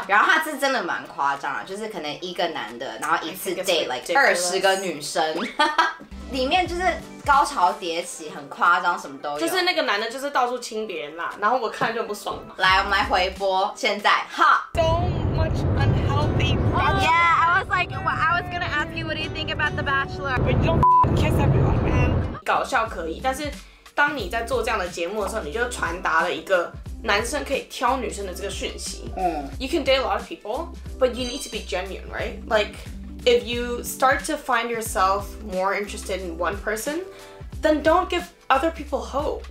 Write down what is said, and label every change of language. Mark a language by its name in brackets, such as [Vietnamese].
[Chinese] 然后它是真的蛮夸张的，就是可能一个男的，然后一次 date like 20个女生，里面就是高潮迭起，很夸张，什么都有。就是那个男的，就是到处亲别人啦，然后我看就很不爽嘛。来，我们来回播，现在哈。 [English] So much unhealthy.、 Oh. Yeah. I was gonna ask you, what do you think about The Bachelor? But you don't kiss everyone, man. [Chinese] 搞笑可以，但是当你在做这样的节目的时候，你就传达了一个男生可以挑女生的这个讯息。 [English] 嗯、You can date a lot of people, but you need to be genuine, right? Like, if you start to find yourself more interested in one person, then don't give other people hope.